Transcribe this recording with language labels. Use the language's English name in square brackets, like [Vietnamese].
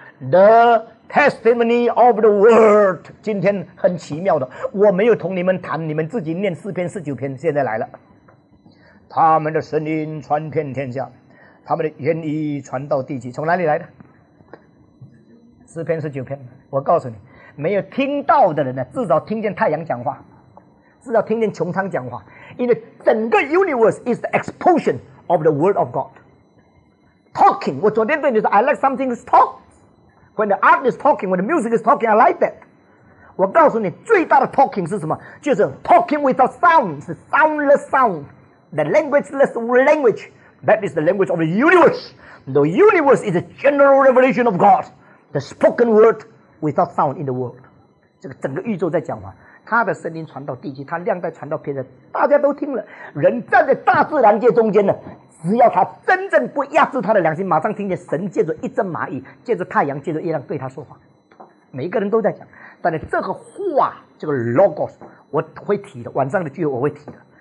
[English] The testimony of the word， [Chinese] 今天很奇妙的，我没有同你们谈，你们自己念四篇四九篇，现在来了，他们的声音传遍天下，他们的言语传到地极。从哪里来的？四篇四九篇。我告诉你，没有听到的人呢，至少听见太阳讲话，至少听见穹苍讲话，因为整个 [English] universe is the explosion of the word of God talking。 [Chinese] 我昨天对你说 [English] I like something to talk。 When the art is talking, when the music is talking, I like that. [Chinese] 我告诉你，最大的 talking 是什么？就是 [English] talking without sound, 是 soundless sound. The languageless language, that is the language of the universe. The universe is a general revelation of God. The spoken word without sound in the world. [Chinese] 这个整个宇宙在讲话，他的声音传到地基，他亮带传到别人，大家都听了。人站在大自然界中间呢，只要他真正不压制他的良心，马上听见神借着一阵蚂蚁，借着太阳，借着月亮对他说话。每一个人都在讲，但是这个话，这个 logos， 我会提的，晚上的聚会我会提的。